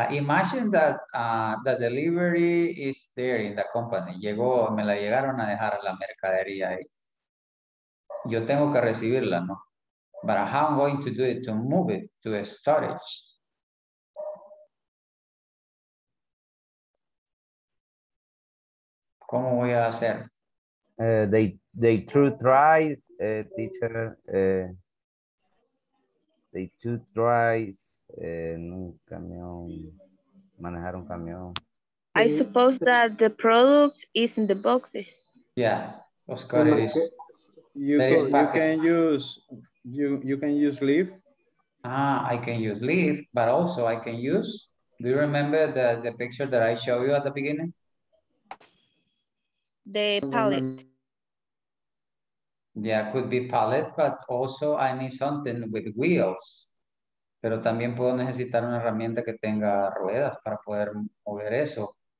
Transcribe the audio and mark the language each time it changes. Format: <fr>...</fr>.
<en>Imagine that the delivery is there in the company.</en> <es>Llegó, me la llegaron a dejar a la mercadería ahí. Yo tengo que recibirla, ¿no?</es> <en>But how I'm going to do it to move it to a storage?</en> <es>¿Cómo voy a hacer? Nunca me han manejado un camión.</es> <en>I suppose that the product is in the boxes. Yeah, Oscar, it is. You can use leaf. I can use leaf, but also I can use Do you remember the picture that I showed you at the beginning? The palette. Yeah, could be palette, but also I need something with wheels.</en> <es>Pero también puedo necesitar una herramienta que tenga ruedas para poder mover eso.</es>